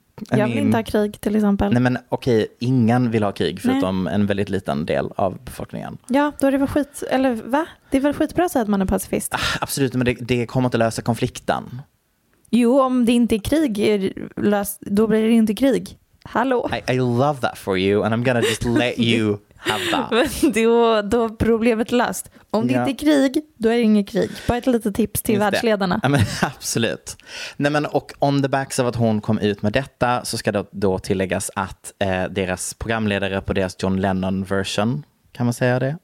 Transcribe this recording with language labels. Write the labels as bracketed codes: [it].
[sv] Jag vill inte ha krig, till exempel. Nej, men okej, ingen vill ha krig förutom en väldigt liten del av befolkningen. Ja, då är det väl skit... Eller va? Det är väl skitbra att säga att man är pacifist? Absolut, men det kommer inte lösa konflikten. Jo, om det inte är krig, då blir det inte krig. Hallå? [en] I love that for you, and I'm gonna just let you have that. [sv] Men då är problemet löst. Om det inte är krig, då är det inget krig. Bara ett litet tips till världsledarna. Ja, men, absolut. Nej, men, och [en] on the backs [sv] av att hon kom ut med detta så ska det då tilläggas att deras programledare på deras John Lennon-version, kan man säga det?